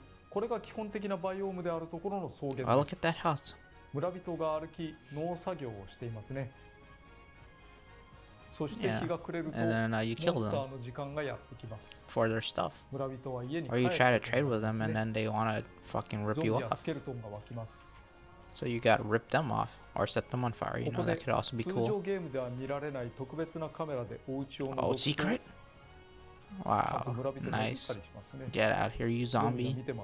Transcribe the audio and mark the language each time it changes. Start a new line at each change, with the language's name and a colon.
Japanese: これが基本的なバイオームであるところの草原です。
English: Oh, look at that house.
Japanese: 村人が歩き農作業をしていますね。そして日が暮れると、
English: yeah. And then, you kill them
Japanese: モンスターの時間がやってきます。
English: For their stuff.
Japanese: 村人は家に帰ってきます。
English: Or you try to trade with them and then they wanna fucking rip you off.
Japanese: ゾンビやスケルトンが湧きます。
English: So you gotta rip them off or set them on fire. You know that could also be cool.
Japanese: 通常ゲームでは見られない特別なカメラでお家を覗く。
English: Oh, secret? Wow, nice. Get out here, you zombie.